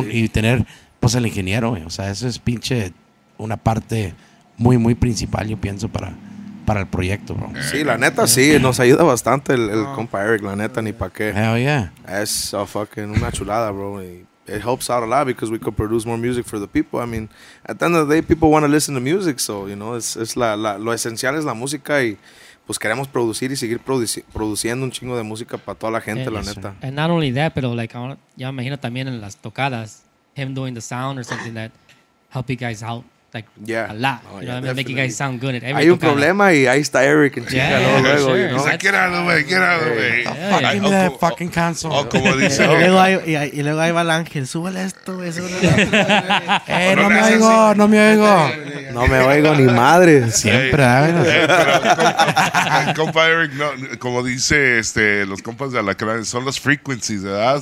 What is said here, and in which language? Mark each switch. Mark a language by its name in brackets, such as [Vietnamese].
[Spanish] Y tener pues el ingeniero, o sea, eso es pinche... una parte muy, muy principal, yo pienso, para el proyecto, bro. Sí, la neta, sí. Nos ayuda bastante el compa Eric, la neta, ni pa' qué. [English] Hell yeah. [Spanish] Es a fucking una chulada, bro. [English] It helps out a lot because we could produce more music for the people. I mean, at the end of the day, people want to listen to music. [Spanish] So, you know, es lo esencial es la música y pues queremos producir y seguir produciendo un chingo de música para toda la gente, la neta. [English] Sir. And not only that, [Spanish] pero, [English] like, [Spanish] ya me imagino también en las tocadas, [English] him doing the sound or something that help you guys out. Like a lot. Oh, you know what I mean? Make you guys sound good at everything. [Spanish] Hay un problema y ahí está Eric en chica luego, [English] sure. You know? He's like, get out of the way, get out of the way. Give me that fucking console. [Spanish] Oh, como dice. Y luego ahí va el ángel, súbele esto, eso. No me oigo. No me oigo ni madre. Siempre, ¿sabes? Compa Eric, no, como dice los compas de Alacrán, son las frequencies, ¿verdad?